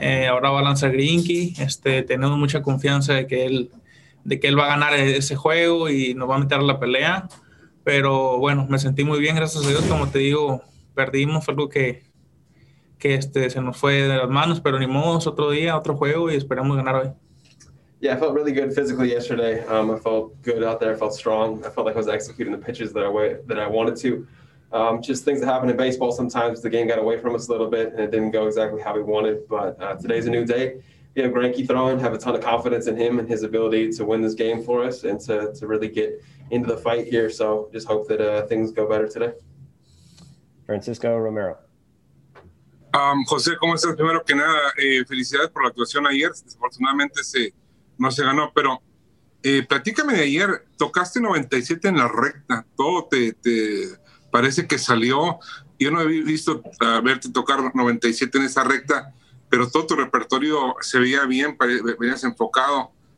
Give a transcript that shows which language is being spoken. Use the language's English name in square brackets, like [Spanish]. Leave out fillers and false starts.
[Spanish] Ahora va a lanzar Grinky, tenemos mucha confianza de que él va a ganar ese juego y nos va a meter a la pelea. Pero bueno, me sentí muy bien, gracias a Dios, como te digo, perdimos, fue algo que se nos fue de las manos, pero ni modo, otro día, otro juego y esperamos ganar hoy. [English] Yeah, I felt really good physically yesterday. I felt good out there. I felt strong. I felt like I was executing the pitches that I wanted to. Just things that happen in baseball sometimes, the game got away from us a little bit and it didn't go exactly how we wanted. But today's a new day. We have Greinke throwing, have a ton of confidence in him and his ability to win this game for us and to really get into the fight here. So just hope that things go better today. Francisco Romero. [Spanish] José, ¿cómo estás? Primero que nada, felicidades por la actuación ayer. Desafortunadamente no se ganó, pero platícame de ayer, tocaste 97 en la recta, todo te parece que salió. Yo no he visto verte tocar 97 en esa recta, pero todo tu repertorio se veía bien, venías enfocado.